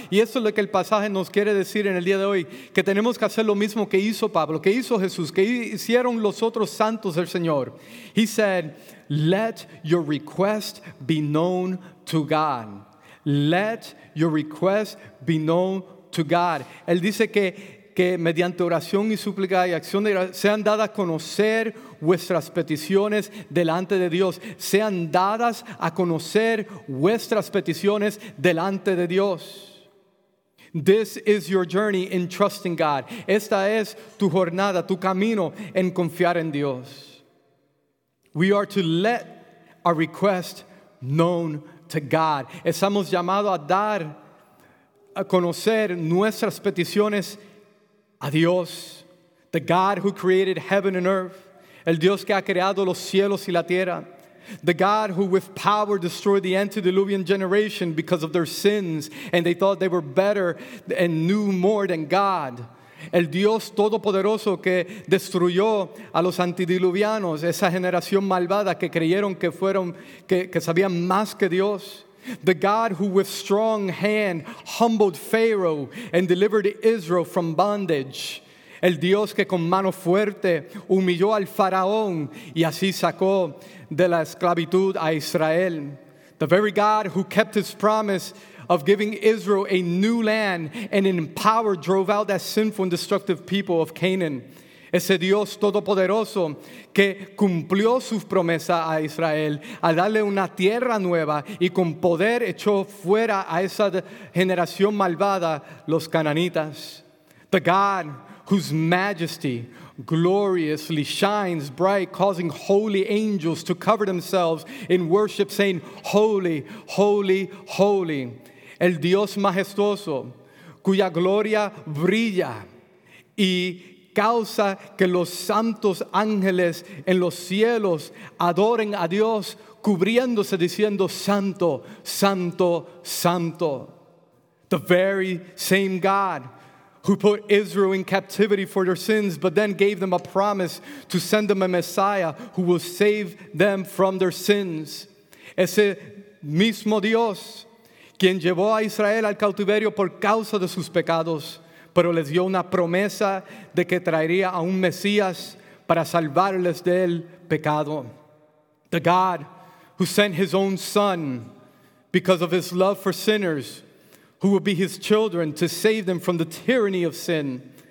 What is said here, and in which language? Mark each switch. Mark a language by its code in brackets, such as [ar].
[es] Y eso es lo que el pasaje nos quiere decir en el día de hoy, que tenemos que hacer lo mismo que hizo Pablo, que hizo Jesús, que hicieron los otros santos del Señor. [en] He said, let your request be known to God. Let your request be known to God. [es] Él dice que mediante oración y súplica y acción de gracias sean dadas a conocer vuestras peticiones delante de Dios. Sean dadas a conocer vuestras peticiones delante de Dios. [en] This is your journey in trusting God. [es] Esta es tu jornada, tu camino en confiar en Dios. [en] We are to let our request known to God. [es] Estamos llamados a dar a conocer nuestras peticiones a Dios, [en] the God who created heaven and earth, [es] el Dios que ha creado los cielos y la tierra, [en] the God who with power destroyed the antediluvian generation because of their sins and they thought they were better and knew more than God, [es] el Dios todopoderoso que destruyó a los antediluvianos, esa generación malvada que creyeron que fueron, que sabían más que Dios. [en] The God who with strong hand humbled Pharaoh and delivered Israel from bondage. [es] El Dios que con mano fuerte humilló al faraón y así sacó de la esclavitud a Israel. [en] The very God who kept his promise of giving Israel a new land and in power drove out that sinful and destructive people of Canaan. [es] Ese Dios todopoderoso que cumplió su promesa a Israel al darle una tierra nueva y con poder echó fuera a esa generación malvada, los cananitas. [en] The God whose majesty gloriously shines bright, causing holy angels to cover themselves in worship, saying, holy, holy, holy. [es] El Dios majestuoso cuya gloria brilla y causa que los santos ángeles en los cielos adoren a Dios, cubriéndose diciendo, santo, santo, santo. [en] The very same God who put Israel in captivity for their sins, but then gave them a promise to send them a Messiah who will save them from their sins. [es] Ese mismo Dios, quien llevó a Israel al cautiverio por causa de sus pecados, pero les dio una promesa de que traería a un Mesías para salvarles del pecado. [en] The God who sent his own son because of his love for sinners, who will be his children to save them from the tyranny of sin.